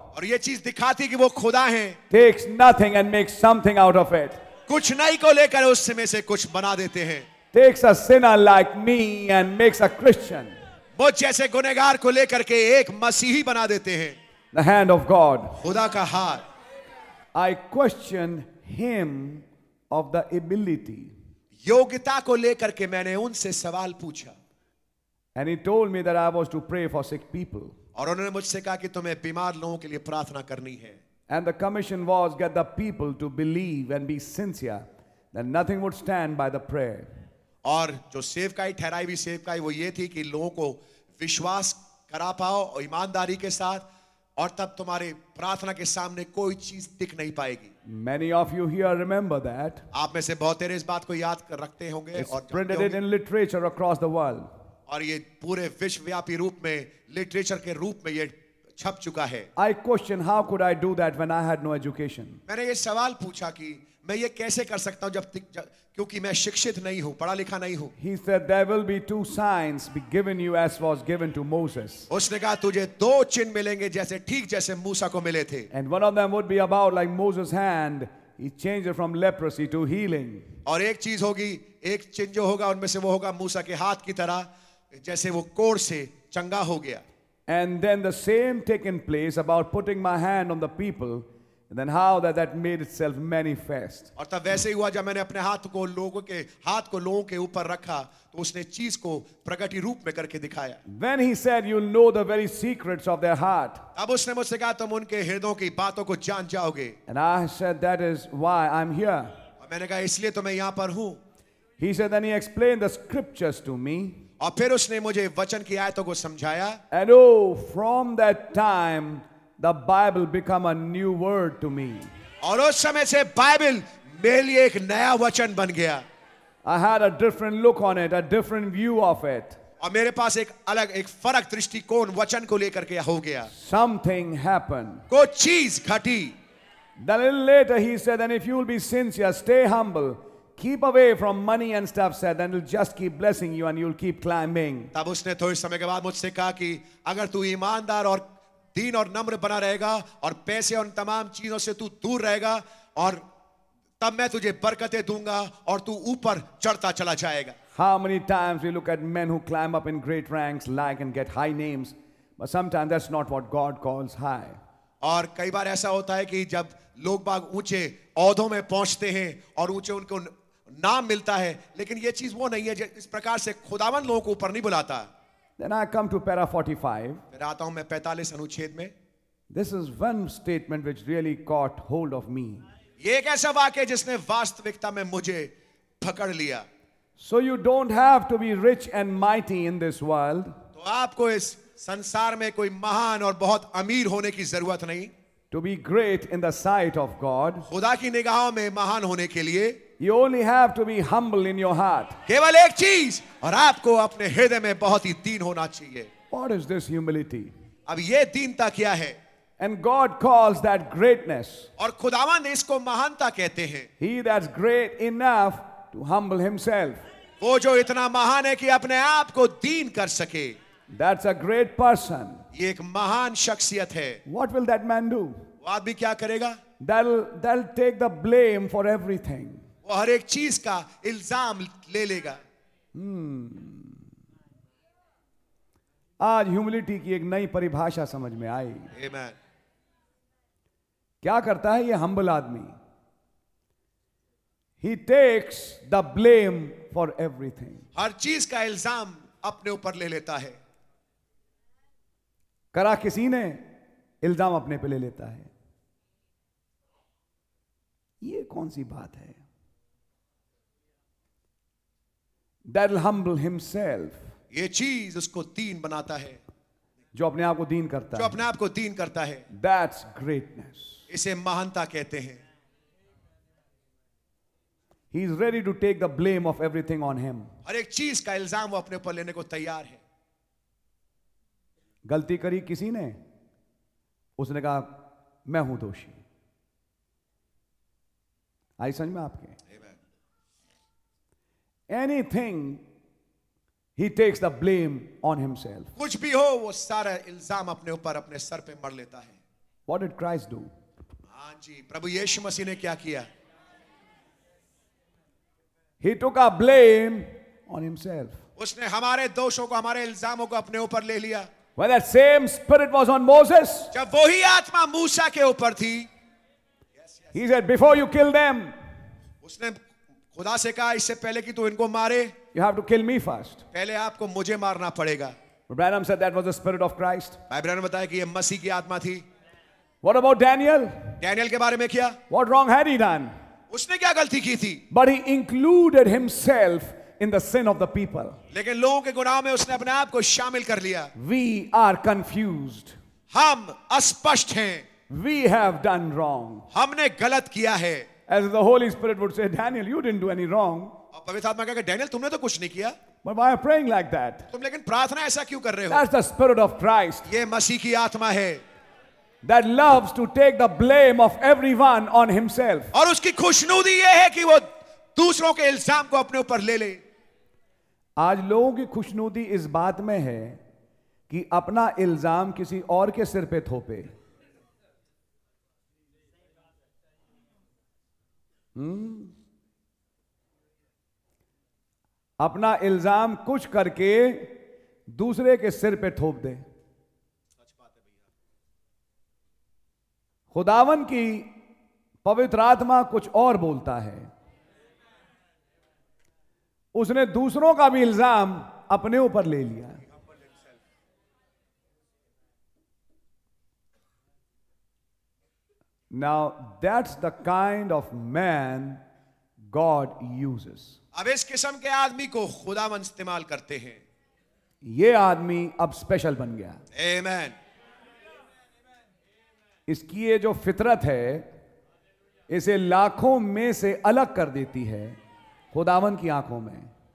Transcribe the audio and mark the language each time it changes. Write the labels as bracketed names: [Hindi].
[Hindi] और ये चीज दिखाती है कि वो खुदा है. [English] Takes nothing and makes something out of it. [Hindi] कुछ नहीं को लेकर उस समय से कुछ बना देते हैं. [English] Takes a sinner like me and makes a Christian. [Hindi] वो जैसे गुनेगार को लेकर के एक मसीही बना देते हैं. [English] The hand of God. [Hindi] खुदा का हाथ. [English] I question him of the ability. [Hindi] योग्यता को लेकर के मैंने उनसे सवाल पूछा. [English] And he told me that I was to pray for sick people. [Hindi] और उन्होंने मुझसे कहा कि तुम्हें बीमार लोगों के लिए प्रार्थना करनी है. [English] And the commission was get the people to believe and be sincere that nothing would stand by the prayer. [Hindi] और जो सेवकाई ठहराई भी सेवकाई वो ये थी कि लोगों को विश्वास करा पाओ और ईमानदारी के साथ और तब तुम्हारे प्रार्थना के सामने कोई चीज दिख नहीं पाएगी. [English] Many of you here remember that. [Hindi] आप में से बहुत तेरे इस बात को याद रखते होंगे. [English] It's printed in literature across the world. [Hindi] और ये पूरे विश्वव्यापी रूप में लिटरेचर के रूप में ये छप चुका है. [English] I question how could I do that when I had no education. [Hindi] मैंने ये सवाल पूछा कि मैं ये कैसे कर सकता हूँ जब क्योंकि मैं शिक्षित नहीं हूँ, पढ़ा लिखा नहीं हूँ. [English] He said there will be two signs be given you as was given to Moses. [Hindi] उसने कहा तुझे दो चिन्ह मिलेंगे जैसे ठीक जैसे मूसा को मिले थे. [English] And one of them would be about like Moses' hand. He changed it from leprosy to healing. [Hindi] और एक चीज होगी, एक चिन्ह जो होगा उनमें से वो होगा मूसा के हाथ की तरह जैसे वो कोर से चंगा हो गया. [English] And then the same taken place about putting my hand on the people. And then how that made itself manifest. [Hindi] और तब वैसे ही हुआ जब मैंने अपने हाथ को लोगों के हाथ को लोगों के ऊपर रखा तो उसने चीज को प्रगटी रूप में करके दिखाया. [English] When he said you'll know the very secrets of their heart. [Hindi] तब उसने मुझसे कहा तुम उनके हृदयों की बातों को जान जाओगे. [English] And I said that is why I'm here. [Hindi] और मैंने कहा इसलिए तो मैं यहाँ पर हूँ. [English] He said then he explained the scriptures to me. [Hindi] और फिर उसने मुझे वचन की आयतों को समझाया. [English] And from that time. The Bible become a new word to me. [Hindi] और उस समय से बाइबल मेरे लिए एक नया वचन बन गया. [English] I had a different look on it, a different view of it. [Hindi] और मेरे पास एक अलग, एक फर्क दृष्टिकोण वचन को लेकर के हो गया. [English] Something happened. [Hindi] कोई चीज घटी. [English] Then a little later he said, and if you will be sincere, stay humble. Keep away from money and stuff, said, and it'll just keep blessing you and you'll keep climbing. [Hindi] तब उसने थोड़े समय के बाद मुझसे कहा कि अगर तू ईमानदार और दीन और नम्र बना रहेगा और पैसे और तमाम चीजों से तू दूर रहेगा और तब मैं तुझे बरकतें दूंगा और तू ऊपर चढ़ता चला जाएगा. [English] How many times we look at men who climb up in great ranks, like and get high names, but sometimes that's not what God calls high. [Hindi] और कई बार ऐसा होता है कि जब लोग बाग ऊंचे औहदों में पहुंचते हैं और ऊंचे उनको नाम मिलता है, लेकिन ये चीज वो नहीं है. इस प्रकार से खुदावंद लोगों को ऊपर नहीं बुलाता. [English] Then I come to para 45. This is one statement which really caught hold of me. [Hindi] ये एक ऐसा वाक्य जिसने वास्तविकता में मुझे पकड़ लिया. [English] So you don't have to be rich and mighty in this world. [Hindi] तो आपको इस संसार में कोई महान और बहुत अमीर होने की जरूरत नहीं. [English] To be great in the sight of God. [Hindi] खुदा की निगाहों में महान होने के लिए. [English] You only have to be humble in your heart. [Hindi] केवल एक चीज, और आपको अपने हृदय में बहुत ही दीन होना चाहिए. [English] What is this humility? [Hindi] अब ये दीनता क्या है? [English] And God calls that greatness. [Hindi] और खुदावंद इसको महानता कहते हैं. [English] He that's great enough to humble himself. [Hindi] वो जो इतना महान है कि अपने आप को दीन कर सके. [English] That's a great person. [Hindi] ये एक महान शख्सियत है. [English] What will that man do? [Hindi] वो आदमी क्या करेगा? [English] they'll take the blame for everything. [Hindi] वो हर एक चीज का इल्जाम ले लेगा. आज ह्यूमिलिटी की एक नई परिभाषा समझ में आई. Amen. क्या करता है ये हम्बल आदमी? [English] He takes the blame for everything. [Hindi] हर चीज का इल्जाम अपने ऊपर ले लेता है. करा किसी ने, इल्जाम अपने पे ले लेता है. ये कौन सी बात है? [English] That'll humble himself. [Hindi] ये चीज उसको दीन बनाता है. जो अपने आप को दीन करता है. जो अपने आप को दीन करता है. [English] That's greatness. [Hindi] इसे महानता कहते हैं. [English] He is ready to take the blame of everything on him. [Hindi] हर एक चीज का इल्जाम वो अपने ऊपर लेने को तैयार है. गलती करी किसी ने, उसने कहा मैं हूं दोषी. आई समझ में आपके? [English] Anything he takes the blame on himself. [Hindi] कुछ भी हो वो सारा इल्जाम अपने ऊपर अपने सर पे मर लेता है. [English] What did Christ do? [Hindi] हां जी, प्रभु यीशु मसीह ने क्या किया? [English] He took a blame on himself. [Hindi] उसने हमारे दोषों को, हमारे इल्जामों को अपने ऊपर ले लिया. [English] When that same spirit was on Moses, [Hindi] जब वो ही आत्मा मूसा के ऊपर थी, [English] he said, "Before you kill them, [Hindi] उसने खुदा से कहा, इससे पहले कि तू इनको मारे, [English] you have to kill me first. [Hindi] पहले आपको मुझे मारना पड़ेगा. [English] Branham said that was the spirit of Christ. [Hindi] भाई ब्रैनम बताया कि ये मसीह की आत्मा थी. [English] What about Daniel? [Hindi] Daniel के बारे में क्या? [English] What wrong had he done? [Hindi] उसने क्या गलती की थी? [English] But he included himself in the sin of the people. [Hindi] लेकिन लोगों के गुनाह में उसने अपने आप को शामिल कर लिया. [English] We are confused. [Hindi] हम अस्पष्ट हैं. [English] We have done wrong. [Hindi] हमने गलत किया है. [English] As the Holy Spirit would say, Daniel, you didn't do any wrong. [Hindi] और पवित्र आत्मा कहेगा, डैनियल तुमने तो कुछ नहीं किया. [English] But why are you praying like that? [Hindi] तुम लेकिन प्रार्थना ऐसा क्यों कर रहे हो? [English] That's the Spirit of Christ. [Hindi] ये मसीह की आत्मा है. [English] That loves to take the blame of everyone on himself. [Hindi] और उसकी खुशनुदी ये है कि वो दूसरों के इल्जाम को अपने ऊपर ले ले. आज लोगों की खुशनुदी इस बात में है कि अपना इल्जाम किसी और के सिर पे थोपे. अपना इल्जाम कुछ करके दूसरे के सिर पे थोप दे. खुदावन की पवित्र आत्मा कुछ और बोलता है. उसने दूसरों का भी इल्जाम अपने ऊपर ले लिया. [English] Now that's the kind of man God uses. [Hindi] अब इस किस्म के आदमी को खुदावन इस्तेमाल करते हैं. ये आदमी अब स्पेशल बन गया. Amen. इसकी ये जो फितरत है इसे लाखों में से अलग कर देती है खुदावन की आंखों में.